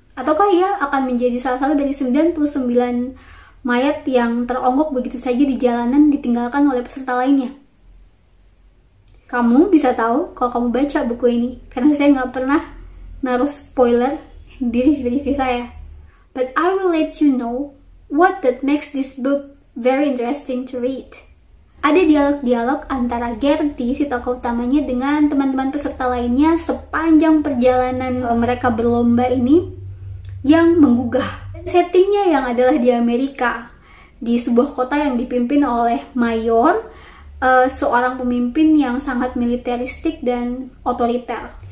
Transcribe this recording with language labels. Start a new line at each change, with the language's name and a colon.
Indonesian: Ataukah ia akan menjadi salah satu dari 99 mayat yang teronggok begitu saja di jalanan ditinggalkan oleh peserta lainnya? Kamu bisa tahu kalau kamu baca buku ini, karena saya nggak pernah naruh spoiler di review saya.
English: But I will let you know what that makes this book very interesting to read.
Indonesian: Ada dialog-dialog antara Garrity, si tokoh utamanya, dengan teman-teman peserta lainnya sepanjang perjalanan mereka berlomba ini yang menggugah. Settingnya yang adalah di Amerika, di sebuah kota yang dipimpin oleh mayor, seorang pemimpin yang sangat militeristik dan otoriter.